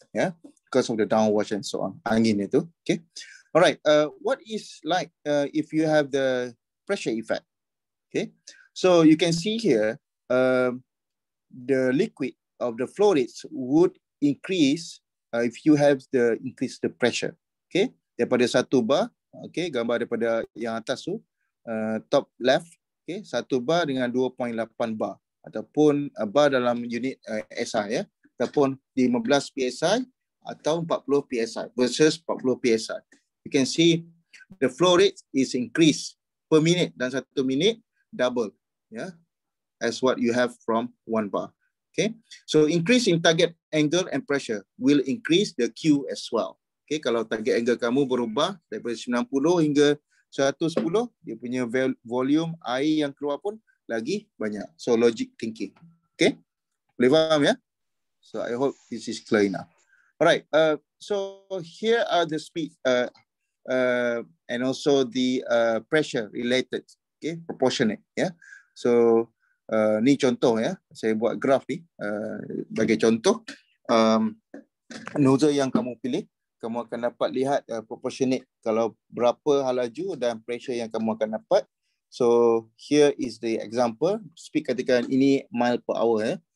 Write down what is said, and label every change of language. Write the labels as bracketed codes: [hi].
[en] Yeah, because of the downwash and so on, [ms] angin itu. [en] Okay, all right. What is like if you have the pressure effect? Okay, so you can see here the liquid of the flow rates would increase if you have the increase the pressure. [ms] Okay, daripada satu bar. Okay, gambar daripada yang atas tu, top left. Okay, satu bar dengan 2.8 bar ataupun bar dalam unit SI, ya, ataupun 15 psi atau 40 psi versus 40 psi. [en] You can see the flow rate is increased per minute [ms] dan satu minit double, ya, [en] yeah, as what you have from one bar. Okay, so increase in target angle and pressure will increase the Q as well. [ms] Okay, kalau target angle kamu berubah daripada 90 hingga 110, dia punya volume air yang keluar pun lagi banyak. [en] So logic thinking. Okay, [ms] boleh faham ya? [en] So I hope this is clear enough. Alright, so here are the speed and also the pressure related, okay, proportionate, yeah. [ms] So ni contoh ya, saya buat graf ni bagi contoh nozzle yang kamu pilih, kamu akan dapat lihat proportionate kalau berapa hal laju dan pressure yang kamu akan dapat. [en] So here is the example. Speed [ms] katakan ini [en] mile per hour ya.